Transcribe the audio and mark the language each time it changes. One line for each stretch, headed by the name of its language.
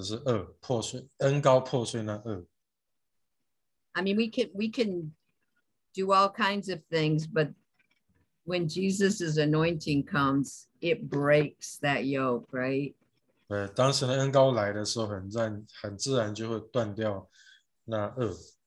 Chinese: 有一段经文有没有说是神的膏油就破碎那些捆绑我们的枷锁，或者是恩膏破碎那恶。
English: I mean, we can do all kinds of things, but when Jesus's anointing comes, it breaks that yoke, right?
Chinese: 对，当神的恩膏来的时候，很自然就会断掉那恶。